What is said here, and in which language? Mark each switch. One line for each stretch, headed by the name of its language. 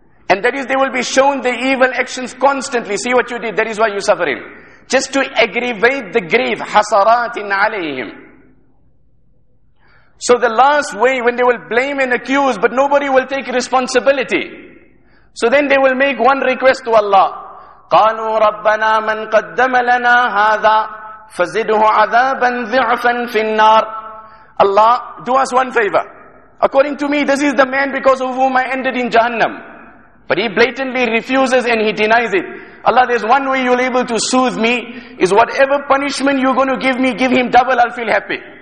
English: And that is, they will be shown the evil actions constantly. See what you did, that is why you're suffering. Just to aggravate the grief, hasaratin alayhim. So the last way, when they will blame and accuse, but nobody will take responsibility. So then they will make one request to Allah.
Arabic: قَالُوا رَبَّنَا مَنْ قَدَّمَ لَنَا هَذَا فَزِدُهُ عَذَابًا ضِعْفًا فِي النَّارِ
English: Allah, do us one favor. According to me, this is the man because of whom I ended in Jahannam. But he blatantly refuses and he denies it. Allah, there's one way you're able to soothe me, is whatever punishment you're going to give me, give him double, I'll feel happy.